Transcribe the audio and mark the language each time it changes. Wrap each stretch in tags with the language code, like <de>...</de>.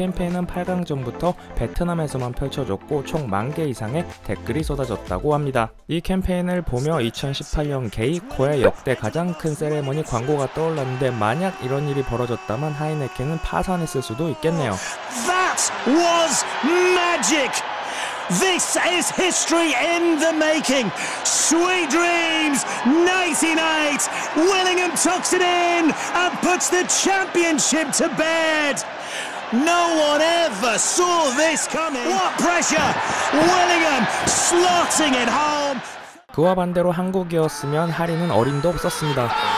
<ko>캠페인은 8강전부터 베트남에서만 펼쳐졌고 총 10,000개 이상의 댓글이 쏟아졌다고 합니다. 이 캠페인을 보며 2018년 게이코의 역대 가장 큰 세레머니 광고가 떠올랐는데 만약 이런 일이 벌어졌다면 하이네켄은 파산했을 수도 있겠네요.</ko> <en>That was magic! This is history in the making! Sweet dreams! 99! Willingham tucks it in and puts the championship to bed! No one ever saw this coming. What pressure! Willingham slotting it home.</en> <ko>그와 반대로 한국이었으면 할인은 어림도 없었습니다.</ko>